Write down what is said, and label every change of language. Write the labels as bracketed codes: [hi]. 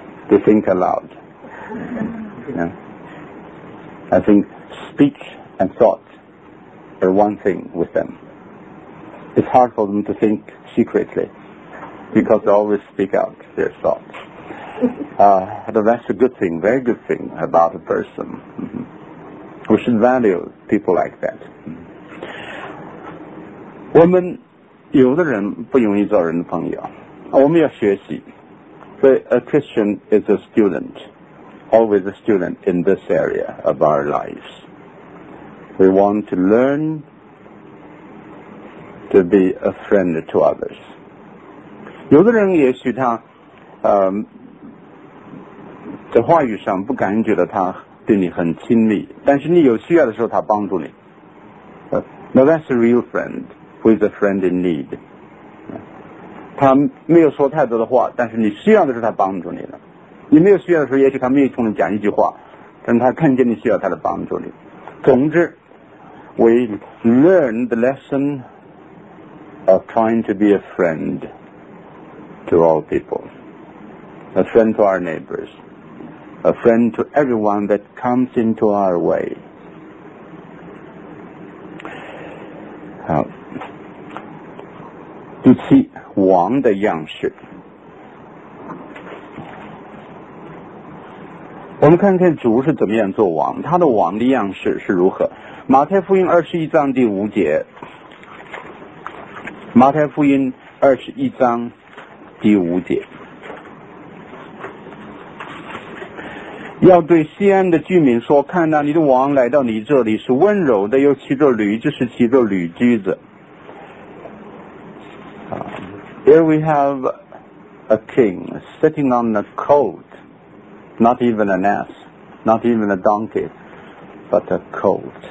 [en] They think aloud. Yeah. I think speech and thought are one thing with them. It's hard for them to think secretly. Because they always speak out their thoughts. That's a good thing, very good thing about a person. We should value people like that. [zh] 我们有的人不容易做人的朋友，我们要学习。 [en] So a Christian is a student, always a student in this area of our lives. We want to learn to be a friend to others. [zh] 有的人也许他在话语上不感觉到他对你很亲密，但是你有需要的时候他帮助你。 [en] Now that's a real friend who is a friend in need. [zh] 他没有说太多的话，但是你需要的时候他帮助你了。你没有需要的时候，也许他没有冲你讲一句话，但他看见你需要他的帮助你。 [en] 总之 we learn the lesson of trying to be a friendTo all people, a friend to our neighbors, a friend to everyone that comes into our way. [zh] 好，第七，王的样式。我们看看主是怎么样做王，他的王的样式是如何。马太福音二十一章第五节，马太福音二十一章第五节，要对西安的居民说，看到你的王来到你这里，是温柔的，又骑着驴，就是骑着驴驹子。 [en] Here we have a king sitting on a colt, not even an ass, not even a donkey, but a colt.